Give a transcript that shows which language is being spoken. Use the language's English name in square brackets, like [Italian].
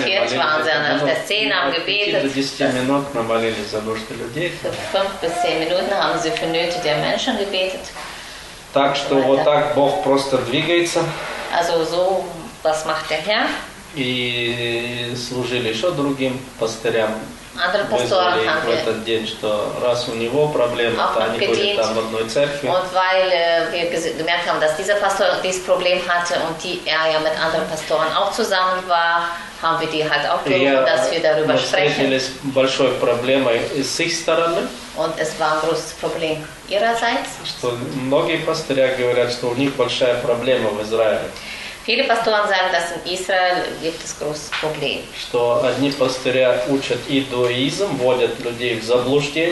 [Russian] Вот [German] waren sie an der Szene, haben gebetet. [Russian] 10 Minuten молились за нужды людей. [German] 5-10 Minuten haben sie für Nöte der Menschen gebetet. [Russian] Так что вот так Бог просто двигается. [German] Also so, was macht der Herr? [Russian] И служили еще другим пастырям. [German] Andere Pastoren haben wir auch noch gedient. Und weil wir gemerkt haben, dass dieser Pastor dieses Problem hatte und er ja mit anderen Pastoren auch zusammen war, haben wir die halt auch gerufen, dass wir darüber sprechen. [Russian] С большой проблемой с их стороны. [German] Und es war ein großes Problem ihrerseits. [Russian] Что многие пастыря говорят, что у них большая проблема в Израиле. [German] Viele Pastoren sagen, dass in Israel gibt es großes Problem. [Russian] Что одни пастыря учат иудаизм, вводят людей в заблуждение.